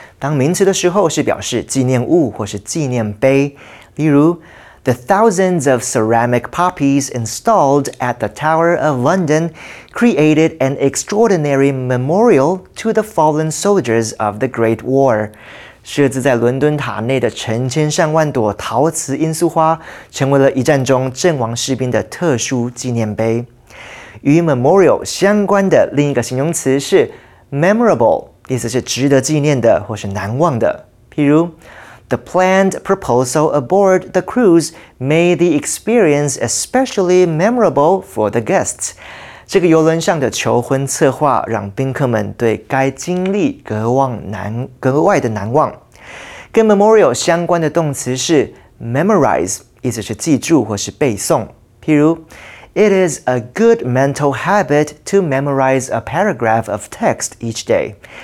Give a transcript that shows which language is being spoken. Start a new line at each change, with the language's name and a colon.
Chinese: 当名词的时候，是表示纪念物或是纪念碑。例如
English: ，The thousands of ceramic poppies installed at the Tower of London created an extraordinary memorial to the fallen soldiers of the Great War。
Chinese: 设置在伦敦塔内的成千上万朵陶瓷罂粟花，成为了一战中阵亡士兵的特殊纪念碑。与 memorial 相关的另一个形容词是 memorable， 意思是值得纪念的或是难忘的。譬如
English: ，The planned proposal aboard the cruise made the experience especially memorable for the guests。
Chinese: 这个游轮上的求婚策划让宾客们对该经历格外的难忘。跟 memorial 相关的动词是 memorize， 意思是记住或是背诵。譬如。
English: It is a good mental habit to memorize a paragraph of text each day.